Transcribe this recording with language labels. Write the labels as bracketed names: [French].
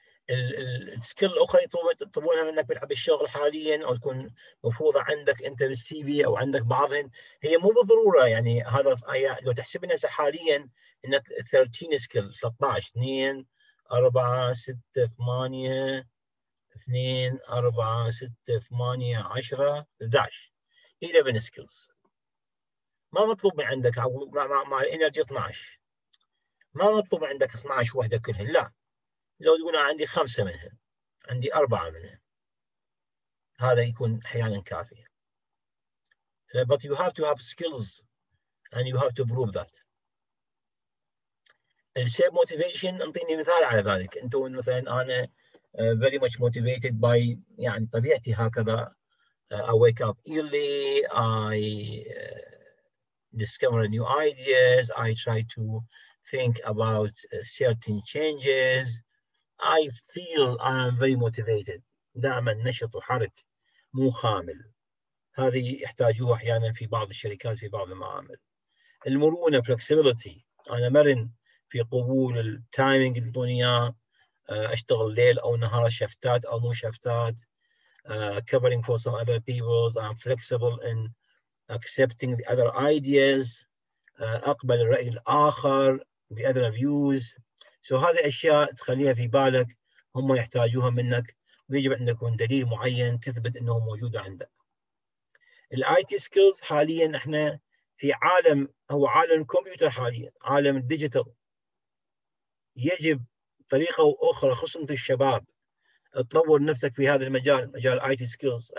[Arabic] السكيل الأخرى يطلبونها منك بالعب الشغل حاليا أو تكون مفروضة عندك أنت بالسي في أو عندك بعضهن، هي مو بالضرورة يعني هذا آية، لو تحسب الناس حاليا أنك 13 سكيل 13 2 4 6 8 2 4 6 8 10 11 11 سكيلز ما مطلوب من عندك، مع الانرجي 12 ما مطلوب من عندك 12 وحدة كلهن، لا، لو تقول أنا عندي خمسة منهم، عندي أربعة منهم، هذا يكون أحياناً كافي. [English] But you have to have skills and you have to prove that. [Arabic] السيب موتيفيشن، أعطيني مثال على ذلك. أنت مثلاً أنا [English] very much motivated by [Arabic] يعني طبيعتي هكذا، [English] I wake up early, I discover new ideas, I try to think about certain changes. I feel I am very motivated. [Arabic] دائما نشط وحرك مو خامل. هذه يحتاجوها أحيانا في بعض الشركات في بعض المعامل. المرونة flexibility. أنا مرن في قبول التايمينج اللي يعطوني إياه. أشتغل ليل أو نهار، شفتات أو مو شفتات. [English] Covering for some other people. I'm flexible in accepting the other ideas. [Arabic] أقبل الرأي الآخر. [English] The other views. [Arabic] So هذه أشياء تخليها في بالك، هم يحتاجوها منك، ويجب أن يكون دليل معين تثبت أنه موجود عندك. الـ IT skills حالياً إحنا في عالم هو عالم الكمبيوتر حاليا، عالم الديجيتال، يجب طريقة أخرى خصوصا الشباب تطور نفسك في هذا المجال، مجال IT skills.